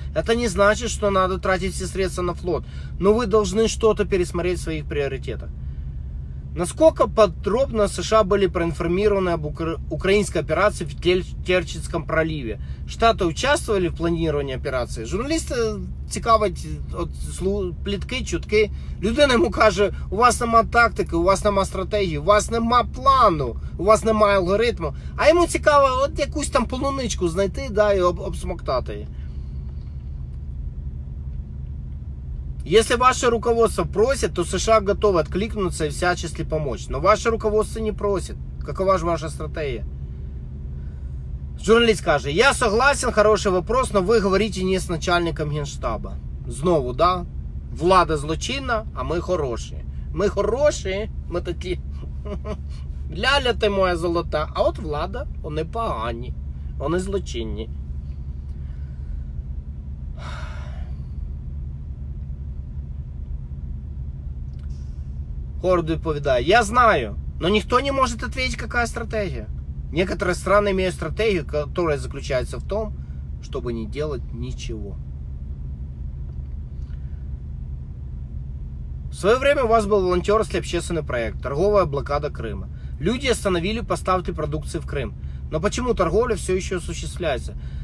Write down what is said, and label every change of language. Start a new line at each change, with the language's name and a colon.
Russian: Это не значит, что надо тратить все средства на флот. Но вы должны что-то пересмотреть в своих приоритетах. Насколько подробно США были проинформированы об украинской операции в Керченском проливе? Штаты участвовали в планировании операции?
Ukrainian: Журналісти цікавить от плітки, чутки. Людина йому каже, у вас нема тактики, у вас нема стратегії, у вас нема плану, у вас нема алгоритму. А йому цікаво от якусь там полуничку знайти, да, і обсмоктати її.
Russian: Если ваше руководство просит, то США готовы откликнуться и всячески помочь. Но ваше руководство не просит. Какова же ваша стратегия? Журналист каже, я согласен, хороший вопрос, но вы говорите не с начальником генштаба.
Ukrainian: Знову, да? Влада злочинна,
Russian: а мы хорошие. Мы хорошие, мы такие. Ляля ты моя золота.
Ukrainian: А вот влада, они погані. Они злочинні. Ховард відповідає, я знаю, но ніхто не може відповісти, яка стратегія.
Russian: Некоторые страны имеют стратегию, которая заключается в том, чтобы не делать ничего. В свое время у вас был волонтерский общественный проект «Торговая блокада Крыма». Люди остановили поставки продукции в Крым. Но почему торговля все еще осуществляется?